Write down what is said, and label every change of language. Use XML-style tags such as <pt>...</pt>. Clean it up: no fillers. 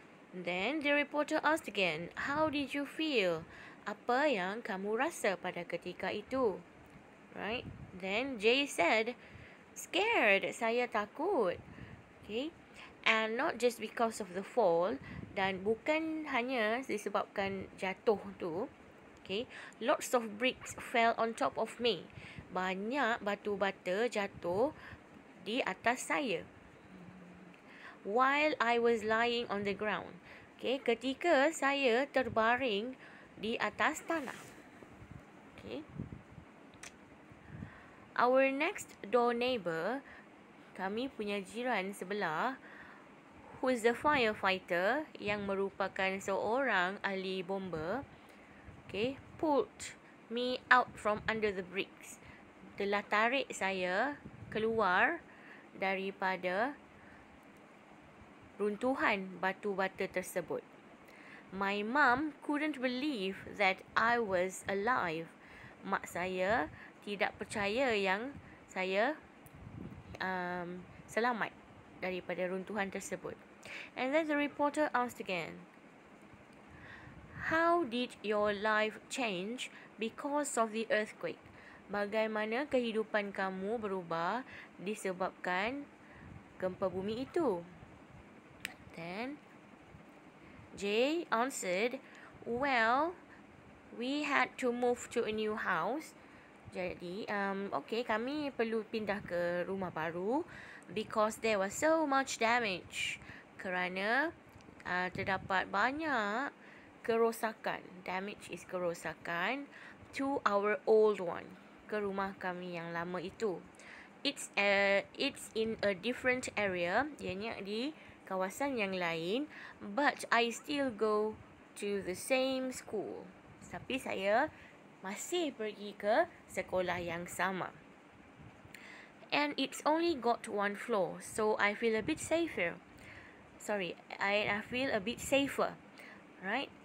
<en>Then the reporter asked again, how did you feel?</en> <ms>Apa yang kamu rasa pada ketika itu?</ms> <en>Right? Then Jay said, scared.</en> <ms>Saya takut. Okay?</ms> <en>And not just because of the fall,</en> <ms>dan bukan hanya disebabkan jatuh tu.</ms> <en>Okay, lots of bricks fell on top of me.</en> <ms>Banyak batu bata jatuh di atas saya.</ms> <en>While I was lying on the ground. Okay,</en> <ms>ketika saya terbaring di atas tanah.</ms> <en>Okay. Our next door neighbor,</en> <ms>kami punya jiran sebelah,</ms> <en>who's a firefighter,</en> <ms>yang merupakan seorang ahli bomba,</ms> <en>okay, pulled me out from under the bricks.</en> <ms>Telah tarik saya keluar daripada runtuhan batu bata tersebut.</ms> <en>My mum couldn't believe that I was alive.</en> <ms>Mak saya tidak percaya yang saya selamat daripada runtuhan tersebut.</ms> <en>And then the reporter asked again, how did your life change because of the earthquake?</en> <ms>Bagaimana kehidupan kamu berubah disebabkan gempa bumi itu?</ms> <en>Then Jay answered, well, we had to move to a new house.</en> <ms>Jadi, okay, kami perlu pindah ke rumah baru</ms> <en>because there was so much damage.</en> <ms>Kerana terdapat banyak kerosakan.</ms> <en>Damage is kerosakan to our old one.</en> <ms>Ke rumah kami yang lama itu.</ms> <en>It's in a different area.</en> <ms>Ianya di kawasan yang lain.</ms> <en>But I still go to the same school.</en> <ms>Tapi saya masih pergi ke sekolah yang sama.</ms> <en>And it's only got one floor. So I feel a bit safer. Sorry, I feel a bit safer, right?</en>